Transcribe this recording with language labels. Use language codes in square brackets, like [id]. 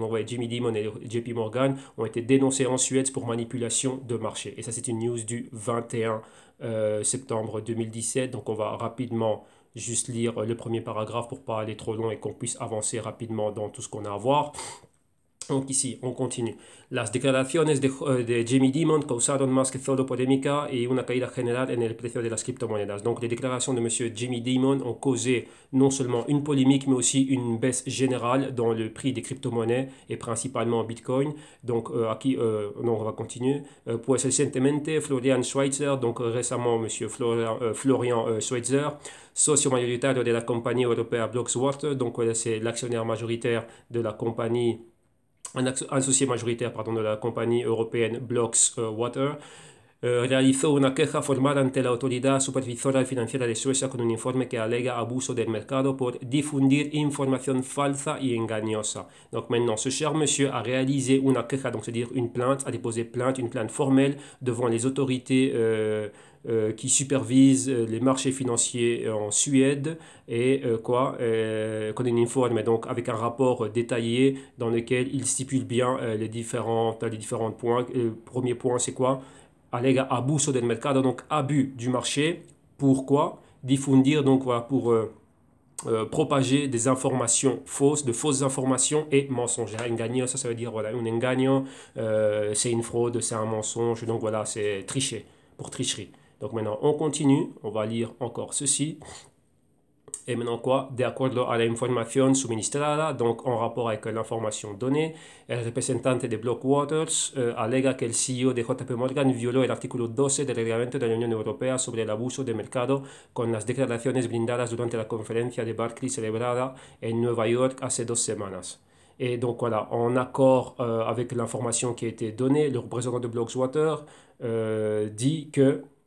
[fr] Donc vous voyez, Jamie Dimon et JP Morgan ont été dénoncés en Suède pour manipulation de marché. Et ça, c'est une news du 21 septembre 2017. Donc on va rapidement... Juste lire le premier paragraphe pour pas aller trop long et qu'on puisse avancer rapidement dans tout ce qu'on a à voir. Donc ici, on continue. [es] Las declaraciones de Jamie Dimon causaron más que solo polémica y una caída general en el precio de las criptomonedas. [fr] Donc les déclarations de Monsieur Jamie Dimon ont causé non seulement une polémique, mais aussi une baisse générale dans le prix des crypto-monnaies et principalement Bitcoin. Donc à qui non, on va continuer. [es] Pues recientemente [fr] Florian Schweitzer, donc récemment Monsieur Florian Schweitzer, [es] socio mayoritario [fr] de la compagnie européenne Blockwatch, donc c'est l'actionnaire majoritaire de la compagnie. Un associé majoritaire pardon, de la compagnie européenne [es] Blocks Water realizó una queja formal ante la autoridad supervisora financiera de Suecia con un informe que alega abuso del mercado por difundir información falsa y engañosa. [fr] Donc maintenant, ce cher monsieur a réalisé [es] una queja, [fr] donc c'est-à-dire une plainte, a déposé plainte, une plainte formelle devant les autorités qui supervise les marchés financiers en Suède et quoi, qu'on est informé, mais donc avec un rapport détaillé dans lequel il stipule bien les différents points. Le premier point, c'est quoi? [es] Allega abuso del mercado, [fr] donc abus du marché. Pourquoi? Diffundir, donc voilà, pour propager des informations fausses, de fausses informations et mensonges. Engaño, ça veut dire, voilà, un engaño, c'est une fraude, c'est un mensonge, donc voilà, c'est tricher, pour tricherie. Donc maintenant, on continue, on va lire encore ceci. Et maintenant quoi? [es] De acuerdo a la información suministrada, [fr] donc en rapport avec l'information donnée, [es] el representante de Blockwaters alega que el CEO de JP Morgan violó el artículo 12 del reglamento de la Unión Europea sobre el abuso de mercado con las declaraciones brindadas durante la conferencia de Barclays celebrada en Nueva York hace 2 semanas. [fr] Et donc voilà, en accord avec l'information qui a été donnée, le représentant de Blockwaters dit que...